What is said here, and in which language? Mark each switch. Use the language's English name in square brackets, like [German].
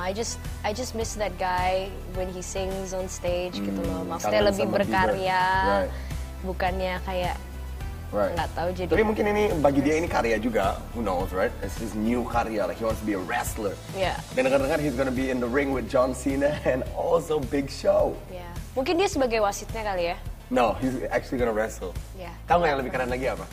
[English] I just miss that guy when he sings on stage [Indonesian] gitu loh. Maksudnya lebih berkarya, [English] right. [Indonesian] Bukannya kayak nggak tahu. Jadi tapi mungkin ini bagi dia ini karya juga. [English] Who knows, right? It's his new karya. Like he wants to be a wrestler. Yeah. [Indonesian] Dan dengar-dengar [English] he's gonna be in the ring with John Cena and also Big Show. Yeah. [Indonesian] Mungkin dia sebagai wasitnya kali ya? [English] No, he's actually gonna wrestle. Yeah. [Indonesian] Tahu nggak yang lebih keren lagi apa?